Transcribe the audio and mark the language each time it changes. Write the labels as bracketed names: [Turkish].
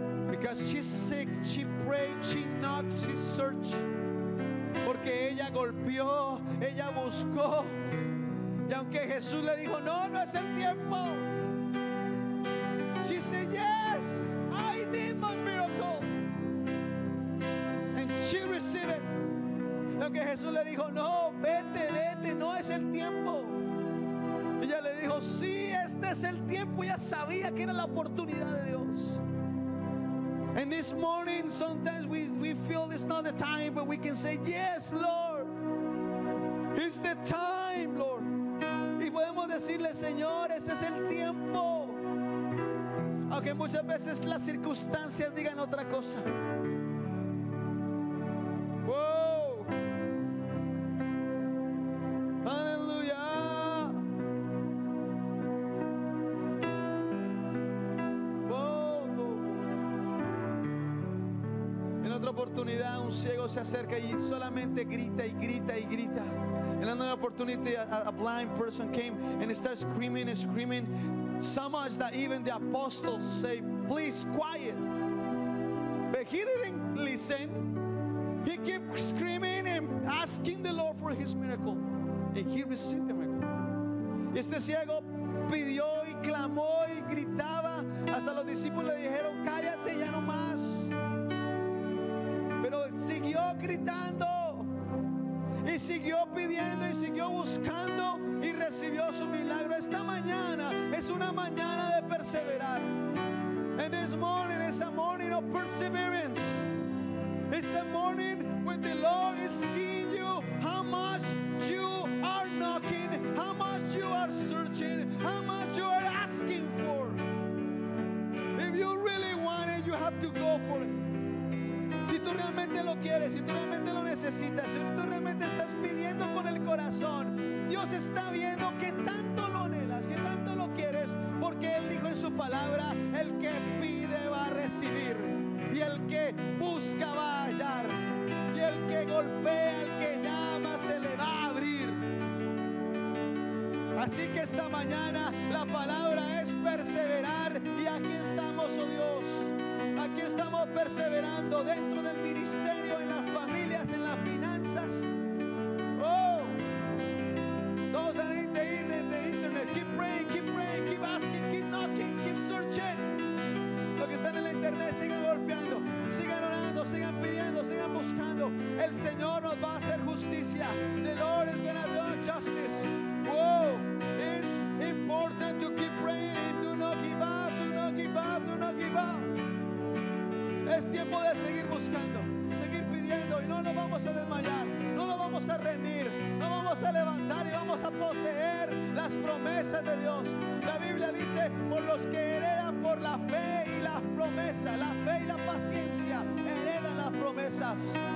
[English] because she's sick, she prayed, she knocked, she searched, [Spanish] porque ella golpeó, ella buscó, y aunque Jesús le dijo no, no es el tiempo, [English] she said yes, I need my miracle. She received it. [Spanish] Lo que Jesús le dijo, no, vete, vete, no es el tiempo. Ella le dijo, sí, este es el tiempo. Ella sabía que era la oportunidad de Dios. [English] And this morning, sometimes we feel it's not the time, but we can say, yes, Lord, it's the time, Lord. [Spanish] Y podemos decirle, Señor, este es el tiempo. Aunque muchas veces las circunstancias digan otra cosa. Wow. Aleluya. Wow. En otra oportunidad, un ciego se acerca y solamente grita y grita y grita. [English] En another opportunity, a blind person came and started screaming and screaming. So much that even the apostles say, please, quiet. But he didn't listen. He kept screaming and asking the Lord for his miracle. And he received the miracle. [Spanish] Y este ciego pidió y clamó y gritaba. Hasta los discípulos le dijeron, cállate ya no más. Pero siguió gritando. Y siguió pidiendo y siguió buscando y recibió su milagro. Esta mañana es una mañana de perseverar. [English] And this morning is a morning of perseverance. It's a morning when the Lord is seeing you, how much you are knocking, how much you are searching, how much you are asking for. If you really want it, you have to go for it. [Spanish] Si tú realmente lo quieres, si tú realmente lo necesitas, si tú realmente estás pidiendo con el corazón, Dios está viendo que tanto lo anhelas, que tanto lo quieres, porque Él dijo en su palabra, el que pide va a recibir, y el que busca va a hallar, y el que golpea, el que llama, se le va a abrir. Así que esta mañana la palabra es perseverar, y aquí estamos, oh Dios. Aquí estamos perseverando dentro del ministerio, en las familias, en las finanzas. [English] Oh, those that ain't in the internet, keep praying, keep praying, keep asking, keep knocking, keep searching. [Spanish] Los que están en la internet, sigan golpeando, sigan orando, sigan pidiendo, sigan buscando. El Señor nos va a hacer justicia. [English] The Lord is gonna do justice. Oh, it's important to keep praying and do not give up, do not give up, do not give up. [Spanish] Es tiempo de seguir buscando, seguir pidiendo, y no nos vamos a desmayar, no nos vamos a rendir, no vamos a levantar, y vamos a poseer las promesas de Dios. La Biblia dice, por los que heredan por la fe y la promesa, la fe y la paciencia, heredan las promesas.